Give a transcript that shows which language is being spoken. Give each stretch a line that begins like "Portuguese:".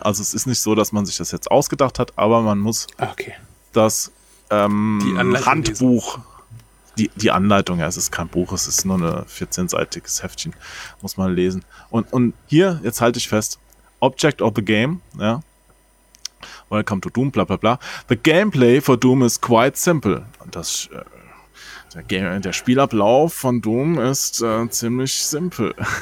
German: Also es ist nicht so, dass man sich das jetzt ausgedacht hat, aber man muss das Handbuch, die Anleitung, ja, es ist kein Buch, es ist nur ein 14-seitiges Heftchen, muss man lesen. Und hier, jetzt halte ich fest,
English: Object of the Game,
German: ja.
English: Welcome to Doom, bla bla bla. The gameplay for Doom is quite simple.
German: Der Spielablauf von Doom ist ziemlich simpel.